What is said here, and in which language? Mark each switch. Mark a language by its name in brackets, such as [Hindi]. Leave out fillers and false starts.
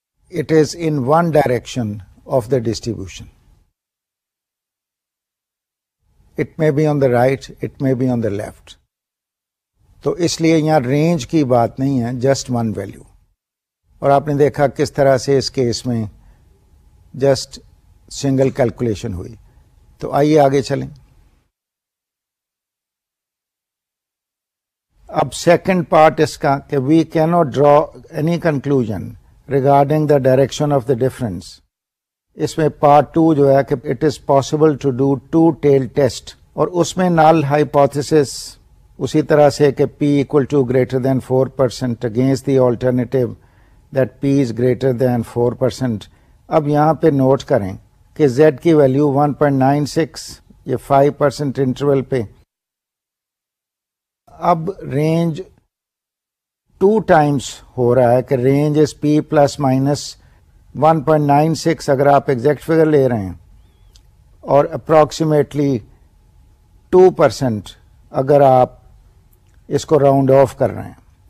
[English] it is in one direction of the distribution. It may be on the right, it may be on the left. [Urdu] تو اس لیے یہاں range کی بات نہیں ہے, [English] Just one value. [Urdu] اور آپ نے دیکھا کس طرح سے اس کیس میں [English] just single calculation [Urdu] ہوئی. تو آئیے آگے چلیں. اب سیکنڈ پارٹ اس کا کہ [English] We can not draw any conclusion regarding the direction of the difference. [Urdu] اس میں پارٹ ٹو جو ہے کہ [English] it is possible to do two tail test, [Urdu] اور اس میں [English] null hypothesis [Urdu] اسی طرح سے کہ [English] P equal to greater than 4% against the alternative that P is greater than 4%. [Urdu] اب یہاں پہ نوٹ کریں کہ زیڈ کی ویلیو 1.96 یہ 5% انٹرول پہ, اب رینج ٹو ٹائمس ہو رہا ہے کہ [English] range is P plus minus 1.96 [Urdu] اگر آپ [English] exact figure [Urdu] لے رہے ہیں, اور [English] approximately 2% [Urdu] اگر آپ اس کو راؤنڈ آف کر رہے ہیں.